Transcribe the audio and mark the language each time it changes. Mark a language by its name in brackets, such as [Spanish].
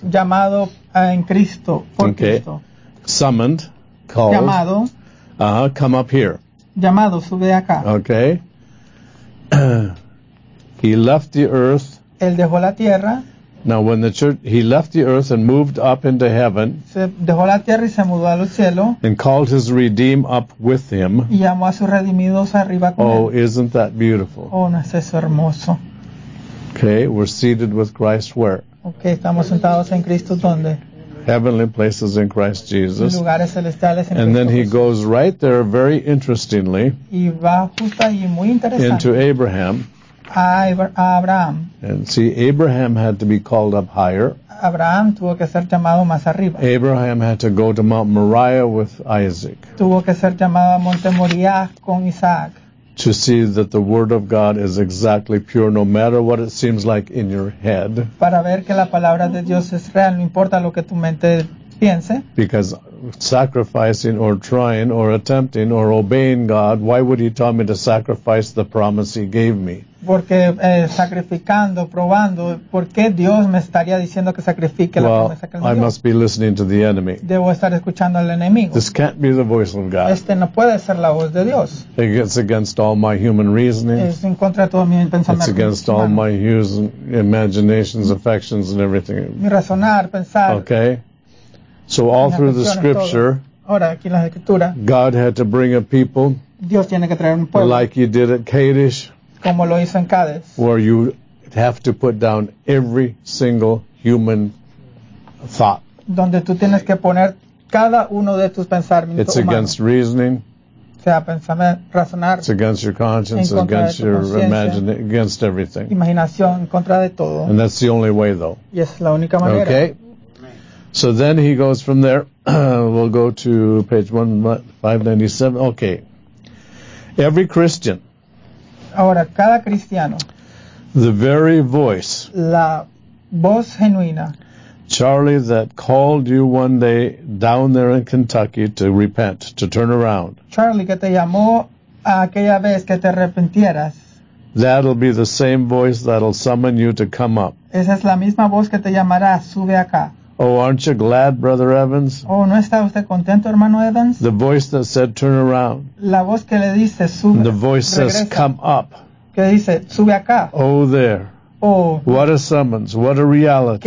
[Spanish] Llamado en Cristo, por [English] okay. [Spanish] Cristo. [English] Summoned, called. [Spanish] Llamado. [English] Come up here. [Spanish] Llamado, sube acá. [English] Okay. He left the earth. [Spanish] Él dejó la tierra. [English] Now, when the church, he left the earth and moved up into heaven, [Spanish] se dejó la tierra y se mudó a los cielos, [English] and called his redeemed up with him. [Spanish] Y llamó a sus redimidos arriba con oh, él. [English] Isn't that beautiful? [Spanish] Oh, no es eso hermoso. [English] Okay, we're seated with Christ where? [Spanish] Okay, estamos sentados en Cristo donde? [English] Heavenly places in Christ Jesus. [Spanish] Lugares celestiales en [English] and then he [Spanish] Jesús. [English] Goes right there, very interestingly, [Spanish] y va justo ahí, muy interesante. [English] Into Abraham. [Spanish] Abraham. [English] And see, Abraham had to be called up higher. [Spanish] Abraham tuvo que ser llamado más arriba. [English] Abraham had to go to Mount Moriah with Isaac. [Spanish] Tuvo que ser llamado a Monte Moriah con Isaac. [English] To see that the word of God is exactly pure, no matter what it seems like in your head. [Spanish] Para ver que la palabra de Dios es real, no importa lo que tu mente piense. [English] Because sacrificing or trying or attempting or obeying God, why would he tell me to sacrifice the promise he gave me? [Spanish] Porque sacrificando, probando, ¿por qué Dios me estaría diciendo que sacrifique [English] well, [Spanish] la promesa que él me dio? [English] I must be listening to the enemy. [Spanish] Debo estar escuchando al enemigo. [English] This can't be the voice of God. [Spanish] Este no puede ser la voz de Dios. [English] It's against all my human reasoning. [Spanish] Es en contra de todo mi pensamiento. [English] It's against all my human imaginations, affections, and everything. [Spanish] Mi razonar, pensar. [English] Okay. So all through the scripture, [Spanish] ahora, aquí en la escritura, [English] God had to bring a people. [Spanish] Dios tiene que traer un pueblo. [English] Like he did at Kadesh. [Spanish] Como lo hizo en Cádiz. [English] Where you have to put down every single human thought. [Spanish] Donde tú tienes que poner cada uno de tus pensamientos. [English] It's against reasoning. [Spanish] Sea pensamiento, razonar. [English] It's against your conscience, against your imagination, against everything. [Spanish] Imaginación, en contra de todo. [English] And that's the only way, though. [Spanish] Y es la única manera. [English] Okay. So then he goes from there. We'll go to page 597. Okay. Every Christian. [Spanish] Ahora, cada cristiano, [English] the very voice, [Spanish] la voz genuina, [English] Charlie, that called you one day down there in Kentucky to repent, to turn around. [Spanish] Charlie, que te llamó aquella vez que te arrepintieras. [English] That'll be the same voice that'll summon you to come up. [Spanish] Esa es la misma voz que te llamará, sube acá. [English] Oh, aren't you glad, Brother Evans? [Spanish] Oh, ¿no está usted contento, hermano Evans? [English] The voice that said, turn around. [Spanish] La voz que le dice, sube, [English] the voice [Spanish] regresa. [English] Says, come up. [Spanish] Que dice, sube acá. [English] Oh, there. Oh. What a summons. What a reality.